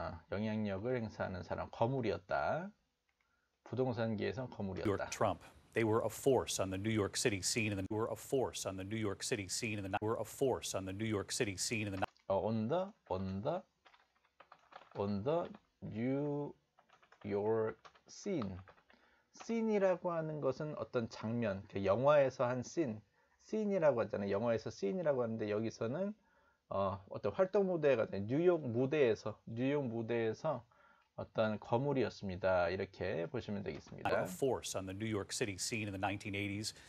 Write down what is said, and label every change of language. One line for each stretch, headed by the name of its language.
Korean: 영향력을 행사하는 사람, 거물이었다. 부동산계에서
English: York
Korean: 거물이었다.
English: Trump. They were a force on the New York City scene and were a force on the New York City scene and were a force on the New York City scene in the On the New York scene.
Korean: Scene이라고 하는 것은 어떤 장면, 영화에서 한 scene. Scene이라고 하잖아요. 영화에서 scene이라고 하는데 여기서는 어떤 활동 무대가 뉴욕 무대에서 어떤 거물이었습니다. 이렇게 보시면
English: A
Korean: 되겠습니다.
English: force on the New York City scene in the 1980s.